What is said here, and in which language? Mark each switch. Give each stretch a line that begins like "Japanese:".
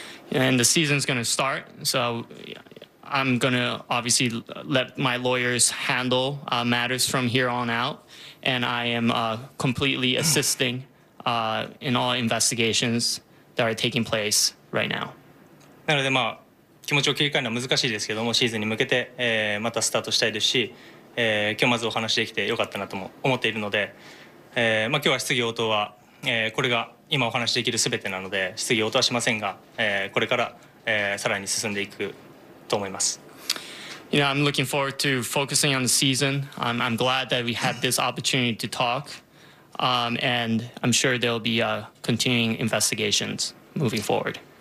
English: And the season's going to start, so I'm going to obviously let my lawyers handle matters from here on out, and I am completely assisting in all investigations that are taking place right now.
Japanese: なので、まあ、気持ちを切り替えるのは難しいですけども、シーズンに向けて、またスタートしたいですし、今日まずお話できてよかったなとも思っているので、まあ、今日は質疑応答は、これが今お話しできるすべてなので質疑応答はしませんが、これから、さらに進んでいくと思います。
English: You know, I'm looking forward to focusing on the season. I'm glad that we had this opportunity to talk. And I'm sure there'll be continuing investigations moving forward.